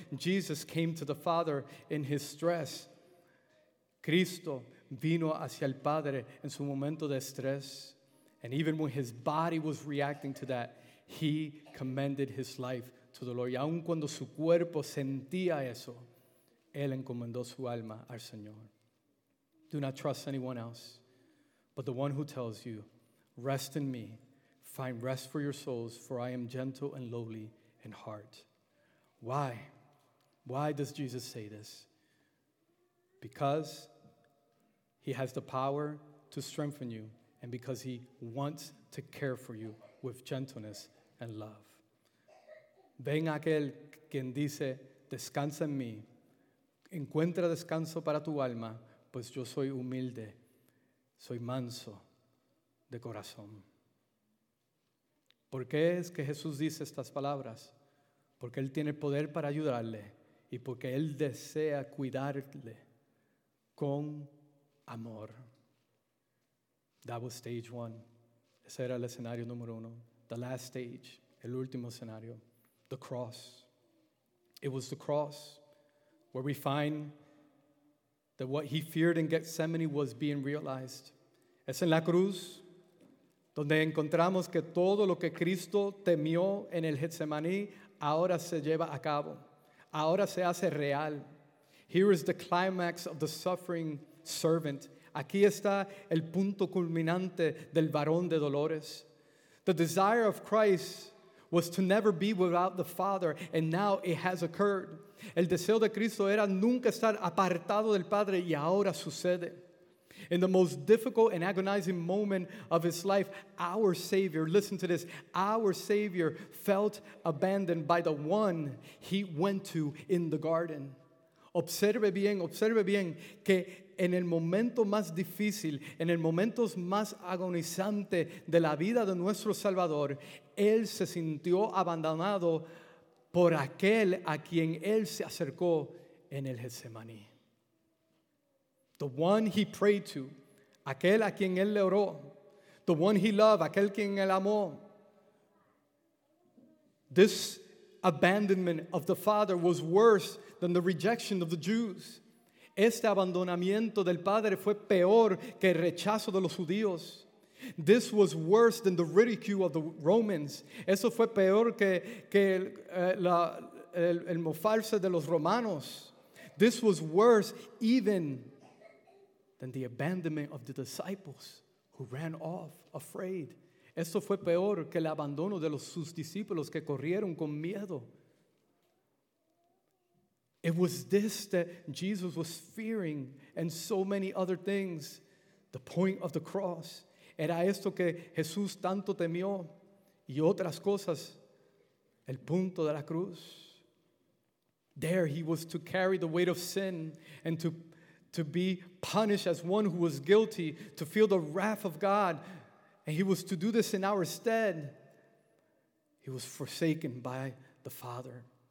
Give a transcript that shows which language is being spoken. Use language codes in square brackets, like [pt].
[en] Jesus came to the Father in His stress. [es] Cristo vino hacia el Padre en su momento de estrés. [en] And even when His body was reacting to that, He commended His life to the Lord. [es] Y aun cuando su cuerpo sentía eso, Él encomendó su alma al Señor. [en] Do not trust anyone else, but the one who tells you, rest in me, find rest for your souls, for I am gentle and lowly in heart. Why? Why does Jesus say this? Because He has the power to strengthen you, and because He wants to care for you with gentleness and love. [es] Ven aquel quien dice, descansa en mí. Encuentra descanso para tu alma, pues yo soy humilde, soy manso de corazón. ¿Por qué es que Jesús dice estas palabras? Porque Él tiene poder para ayudarle y porque Él desea cuidarle con amor. [en] That was stage one. [es] Ese era el escenario número uno. [en] The last stage, [es] el último escenario, [en] the cross. It was the cross where we find that what He feared in Gethsemane was being realized. [es] Es en la cruz donde encontramos que todo lo que Cristo temió en el Getsemaní ahora se lleva a cabo. Ahora se hace real. [en] Here is the climax of the suffering servant. [es] Aquí está el punto culminante del varón de dolores. [en] The desire of Christ was to never be without the Father, and now it has occurred. [es] El deseo de Cristo era nunca estar apartado del Padre, y ahora sucede. [en] In the most difficult and agonizing moment of His life, our Savior, listen to this, our Savior felt abandoned by the one He went to in the garden. [es] Observe bien, que en el momento más difícil, en el momento más agonizante de la vida de nuestro Salvador, Él se sintió abandonado por aquel a quien Él se acercó en el Getsemaní. [en] The one He prayed to, [es] aquel a quien Él le oró, [en] the one He loved, [es] aquel quien Él amó. [en] This abandonment of the Father was worse than the rejection of the Jews. [es] Este abandonamiento del Padre fue peor que el rechazo de los judíos. [en] This was worse than the ridicule of the Romans. [es] Eso fue peor que el mofarse de los romanos. [en] This was worse even than the abandonment of the disciples who ran off afraid. [es] Eso fue peor que el abandono de sus discípulos que corrieron con miedo. [en] It was this that Jesus was fearing and so many other things. The point of the cross. [es] Era esto que Jesús tanto temió y otras cosas. El punto de la cruz. [en] There He was to carry the weight of sin and to be punished as one who was guilty, to feel the wrath of God. And He was to do this in our stead. He was forsaken by the Father.